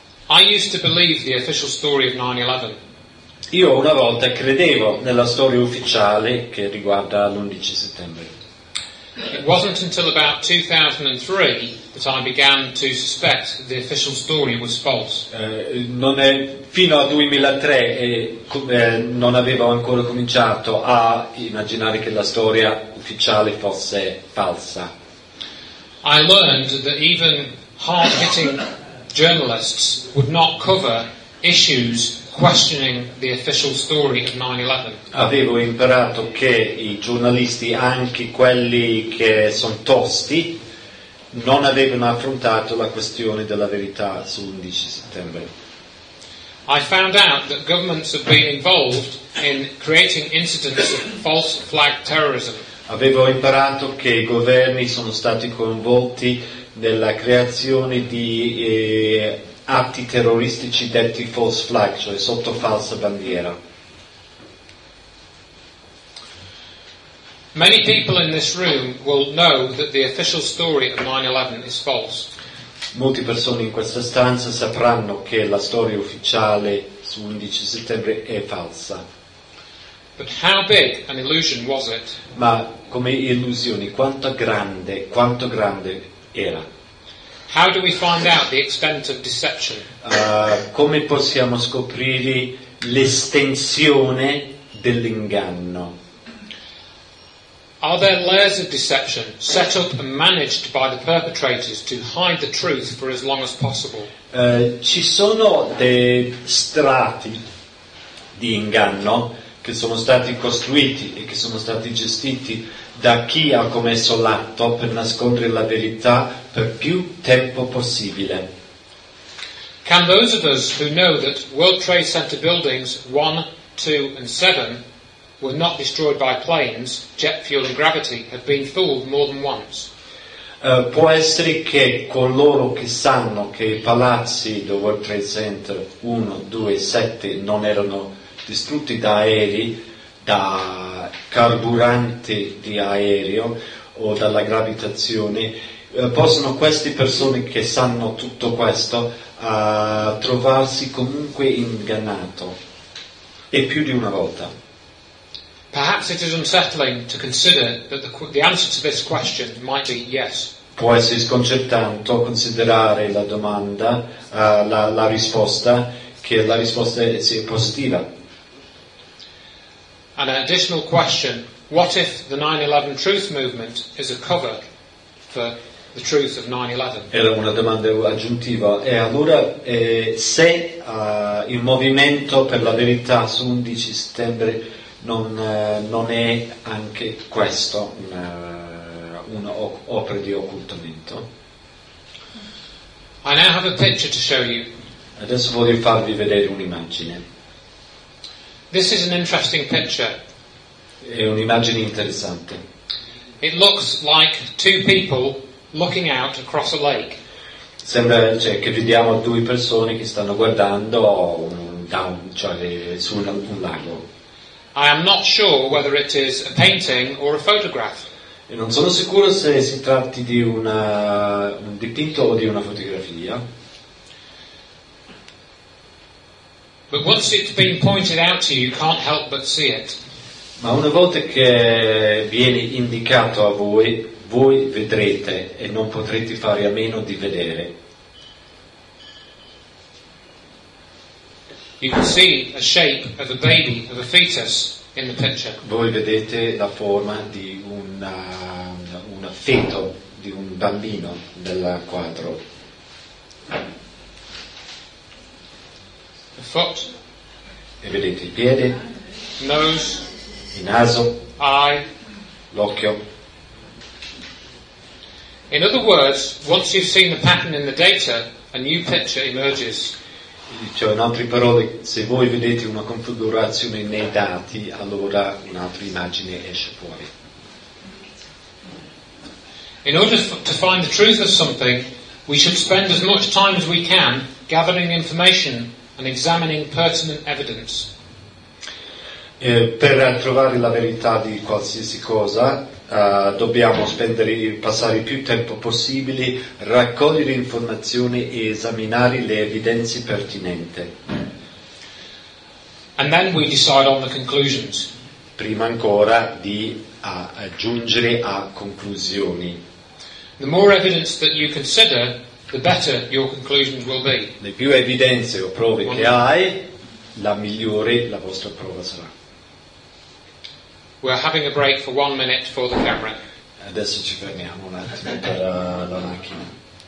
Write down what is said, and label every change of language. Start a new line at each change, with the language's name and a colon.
English: I used to believe the official story of 9/11.
Italian: Io una volta credevo nella storia ufficiale che riguarda l'11 settembre.
English: It wasn't until about 2003 that I began to suspect the official story was false.
Italian: Non è fino al 2003 non avevo ancora cominciato a immaginare che la storia ufficiale fosse falsa.
English: I learned that even hard-hitting journalists would not cover issues questioning the official story of 9/11.
Italian: Avevo imparato che i giornalisti, anche quelli che sono tosti, non avevano affrontato la questione della verità su 11 settembre.
English: I found out that governments have been involved in creating incidents of false flag terrorism.
Italian: Avevo imparato che i governi sono stati coinvolti nella creazione di atti terroristici detti false flag, cioè sotto falsa bandiera.
English: Many people in this room will know that the official story of 9/11 is false.
Italian: Molte persone in questa stanza sapranno che la storia ufficiale su 11 settembre è falsa.
English: But how big an illusion was it?
Italian: Ma come illusioni, quanto grande era?
English: How do we find out the extent of deception?
Italian: Come possiamo scoprire l'estensione dell'inganno?
English: Are there layers of deception set up and managed by the perpetrators to hide the truth for as long as possible?
Italian: Ci sono dei strati di inganno che sono stati costruiti e che sono stati gestiti da chi ha commesso l'atto per nascondere la verità per più tempo possibile.
English: Can those of us who know that World Trade Center buildings 1, 2 and 7 were not destroyed by planes, jet fuel and gravity have been fooled more than once?
Italian: Può essere che coloro che sanno che i palazzi del World Trade Center 1, 2 e 7 non erano distrutti da aerei, da carburante di aereo o dalla gravitazione, possono queste persone che sanno tutto questo trovarsi comunque ingannato, e più di una volta.
English: Perhaps it is unsettling to consider that the answer to this question might be yes.
Italian: Può essere sconcertante considerare la domanda, la risposta, che la risposta sia positiva.
English: An additional question What if the 9/11 truth movement is a cover for the truth of 9/11?
Italian: Era una domanda aggiuntiva. E allora, se il movimento per la verità su 11 settembre non è anche questo un'opera di occultamento?
English: I now have a picture to show you.
Italian: Adesso voglio farvi vedere un'immagine.
English: This is an interesting picture.
Italian: È un'immagine interessante.
English: It looks like two people looking out across a lake.
Italian: Sembra, cioè, che vediamo due persone che stanno guardando su un lago.
English: I am not sure whether it is a painting or a photograph.
Italian: E non sono sicuro se si tratti di un dipinto o di una fotografia.
English: But once it's been pointed out to you, you can't help but see it.
Italian: Ma una volta che viene indicato a voi, voi vedrete e non potrete fare a meno di vedere.
English: You can see a shape of a baby, of a fetus in the picture.
Italian: Voi vedete la forma di un feto, di un bambino nel quadro.
English: The foot.
Italian: E vedete il piede.
English: Nose.
Italian: Il naso.
English: Eye.
Italian: L'occhio.
English: In other words, once you've seen the pattern in the data, a new picture emerges.
Italian: Cioè, in altre parole, se voi vedete una configurazione nei dati, allora un'altra immagine esce fuori.
English: In order to find the truth of something, we should spend as much time as we can gathering information and examining pertinent evidence.
Italian: Per trovare la verità di qualsiasi cosa, dobbiamo passare il più tempo possibile, raccogliere informazioni e esaminare le evidenze pertinenti.
English: And then we decide on the conclusions.
Italian: Prima ancora di aggiungere a conclusioni.
English: The more evidence that you consider, the better your conclusions will be.
Italian: Le più evidenze o prove che hai, la migliore la vostra prova sarà.
English: We're having a break for 1 minute for the camera.
Italian: Adesso ci fermiamo un attimo per la macchina.